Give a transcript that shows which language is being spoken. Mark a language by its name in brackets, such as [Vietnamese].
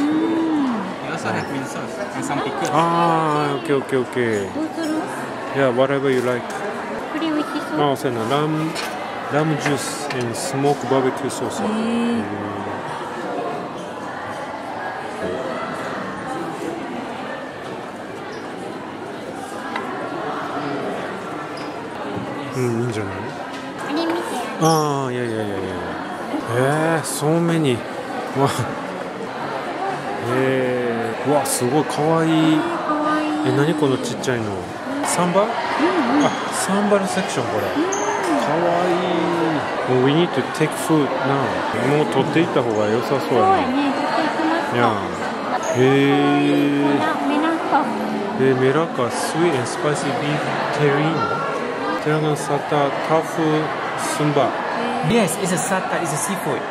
[English] You also have [Japanese] ミニソース、サンピック。あー、オッケー、オッケー、オッケー。どうする？ [English] Yeah, whatever you like. [Japanese] これ、美味しそう。あ、そうやな。ラムジュース [English] and smoked barbecue sauce。 [Japanese] うん、いいんじゃない。あれ見て。ああ、いやいやいやいや。そう、メニュー。うわすごいかわいい、え、何このちっちゃいの、サンバ、あ、サンバのセクションこれ、かわいい。 [English] We need to take food now。 [Japanese] もう取っていった方が良さそうやね。そうやね、取っていきますか。 [English] Yeah。 へ [Japanese] ー、メラカ、え、 [English] メラカ、sweet and spicy beef terrine。 [Japanese] テラノサタ、タフスンバ。 [English] Yes, it's a sata, it's a seafood。